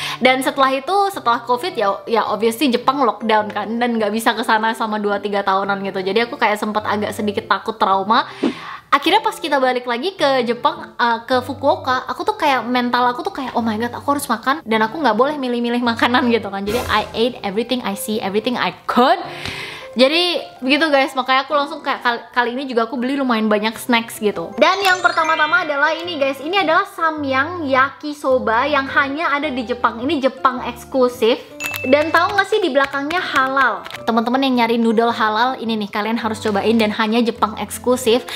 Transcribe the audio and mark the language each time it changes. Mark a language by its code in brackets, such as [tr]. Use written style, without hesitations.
[id] Dan setelah itu, setelah covid ya obviously Jepang lockdown kan, dan gak bisa kesana sama 2-3 tahunan gitu. Jadi aku kayak sempet agak sedikit takut, trauma. Akhirnya pas kita balik lagi ke Jepang, ke Fukuoka, aku tuh kayak mental aku tuh kayak [en] oh my god, [id] aku harus makan dan aku gak boleh milih-milih makanan gitu kan. Jadi [en] I ate everything I see, everything I could. [id] Jadi begitu guys, makanya aku langsung kayak kali ini juga aku beli lumayan banyak snacks gitu. Dan yang pertama-tama adalah ini guys, ini adalah Samyang Yakisoba yang hanya ada di Jepang. Ini Jepang eksklusif. Dan tahu gak sih di belakangnya halal? Teman-teman yang nyari noodle halal, ini nih kalian harus cobain, dan hanya Jepang eksklusif.